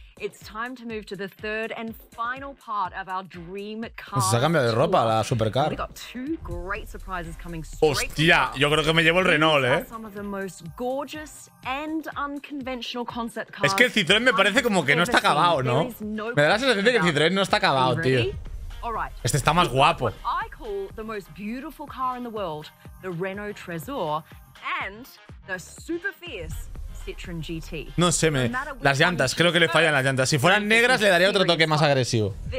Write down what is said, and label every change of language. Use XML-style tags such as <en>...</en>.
<en>It's time to move to the third and final part of our dream car.</en> <es>Se ha cambiado de ropa la supercar.</es> <en>We got two great surprises coming.</en> <es>Hostia, yo creo que me llevo el Renault,</es> <en>Some of the most gorgeous and unconventional concept cars.</en> <es>Es que el Citroën me parece como que no está acabado, ¿no? Me da la sensación de que el Citroën no está acabado, tío. Este está más guapo.</es> <en>I call the most beautiful car in the world, the Renault Trezor, and the super fierce Citroën GT.</en> <es>No sé, las llantas, creo que le fallan las llantas. Si fueran negras, le daría otro toque más agresivo.</es>